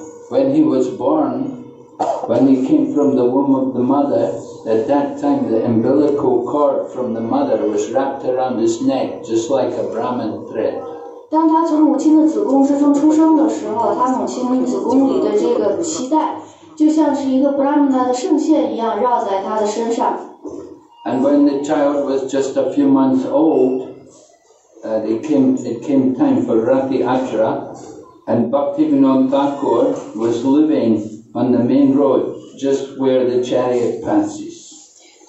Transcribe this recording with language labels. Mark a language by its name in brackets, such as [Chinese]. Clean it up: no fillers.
[English] When he was born, when he came from the womb of the mother, at that time the umbilical cord from the mother was wrapped around his neck, just like a Brahmin thread. [Chinese] 当他从母亲的子宫之中出生的时候，他母亲子宫里的这个脐带，就像是一个Brahmana的圣线一样绕在他的身上。 [English] And when the child was just a few months old, it came time for Rati Atra. And Bhaktivinoda Thakur was living on the main road, just where the chariot passes.